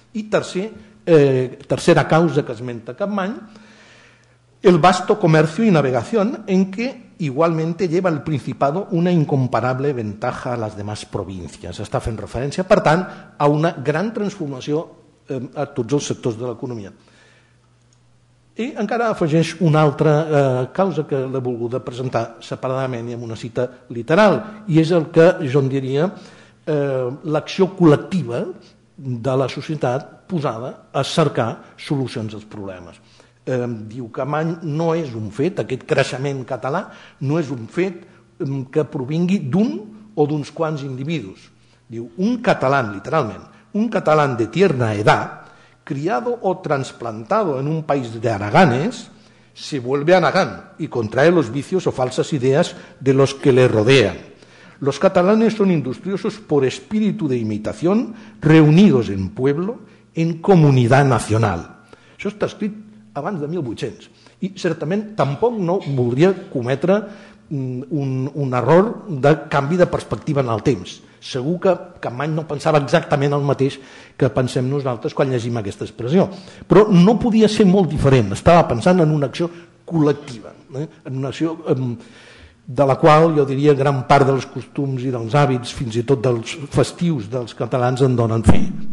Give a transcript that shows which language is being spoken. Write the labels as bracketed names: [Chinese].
[Catalan] I tercera causa que esmenta Campmany, [Spanish] el vasto comercio y navegación en que igualmente lleva el Principado una incomparable ventaja a las demás provincias. [Catalan] Està fent referència, per tant, a una gran transformació a tots els sectors de l'economia. I encara afegeix una altra causa que l'he volgut presentar separadament i amb una cita literal, i és el que jo en diria l'acció col·lectiva de la societat posada a cercar solucions als problemes. Diu que Campmany no és un fet, aquest creixement català no és un fet que provingui d'un o d'uns quants individus. Diu, un català, literalment, un català [Spanish] de tierna edad, criado o transplantado en un país de haraganes, se vuelve haragán y contrae los vicios o falsas ideas de los que le rodean. Los catalanes son industriosos por espíritu de imitación, reunidos en pueblo, en comunidad nacional. [Catalan] Això està escrit abans de 1800. I certament tampoc no voldria cometre un error de canvi de perspectiva en el temps. Segur que Campmany no pensava exactament el mateix que pensem nosaltres quan llegim aquesta expressió. Però no podia ser molt diferent. Estava pensant en una acció col·lectiva, en una acció de la qual, jo diria, gran part dels costums i dels hàbits, fins i tot dels festius dels catalans, en donen fi.